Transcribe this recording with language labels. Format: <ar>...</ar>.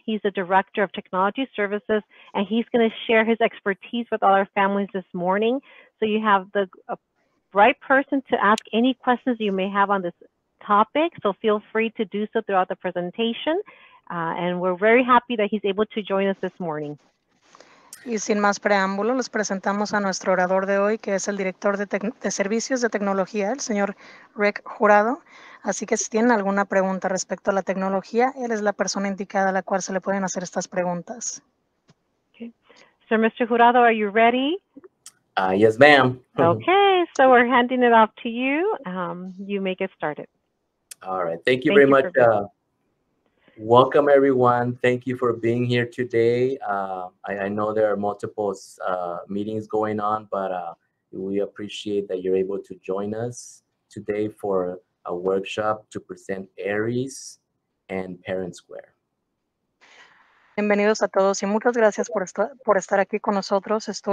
<en>He's the Director of Technology Services, and he's going to share his expertise with all our families this morning. So you have the right person to ask any questions you may have on this topic, so feel free to do so throughout the presentation. And we're very happy that he's able to join us this morning.</en> <es>Y sin más preámbulo, les presentamos a nuestro orador de hoy, que es el director de servicios de tecnología, el señor Rick Jurado. Así que si tienen alguna pregunta respecto a la tecnología, él es la persona indicada a la cual se le pueden hacer estas preguntas.</es> <en>Okay. So, Mr. Jurado, are you ready? Yes, ma'am. Okay, so we're handing it off to you. You may get started. All right. Thank you very much. Welcome, everyone. Thank you for being here today. I know there are multiple meetings going on, but we appreciate that you're able to join us today for a workshop to present Aeries and ParentSquare.</en> <es>Bienvenidos a todos y muchas gracias por estar aquí con nosotros.</es>